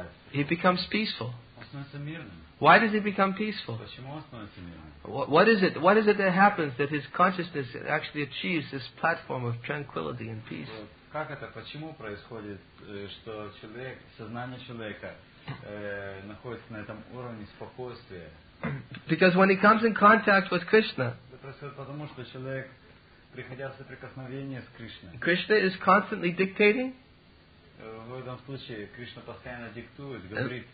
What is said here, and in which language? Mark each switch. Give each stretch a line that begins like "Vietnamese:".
English: He becomes peaceful. Why does he become peaceful? What is it that happens that his consciousness actually achieves this platform of tranquility and peace?
Russian: Как это, почему происходит, что человек, сознание человека находится на этом уровне спокойствия?
English: Because when he comes in contact with Krishna,
Russian: это происходит потому, что человек, приходя в соприкосновение с Кришной,
English: Krishna is constantly dictating,
Russian: в этом случае Кришна постоянно диктует, говорит,